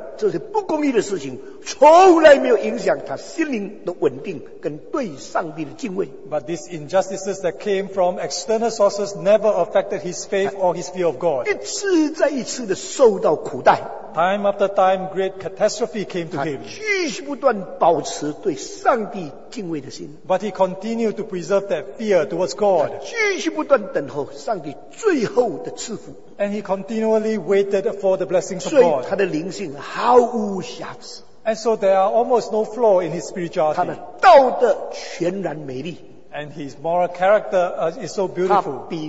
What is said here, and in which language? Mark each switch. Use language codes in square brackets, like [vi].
[zh] 但这些外来加在他身上的这些不公义的事情 从来没有影响他心灵的稳定跟对上帝的敬畏。 [en] But these injustices that came from external sources never affected his faith or his fear of God. [zh] 一次再一次地受到苦待。 [en] Time after time, great catastrophe came to him. [zh] 他继续不断保持对上帝敬畏的心。 [en] But he continued to preserve that fear towards God. [zh] 他继续不断等候上帝最后的赐福。 [en] And he continually waited for the blessings of God. [zh] 所以他的灵性毫无瑕疵。 [en] And so there are almost no flaw in his spirituality. [zh] 他的道德全然美丽。 [en] And his moral character is so beautiful.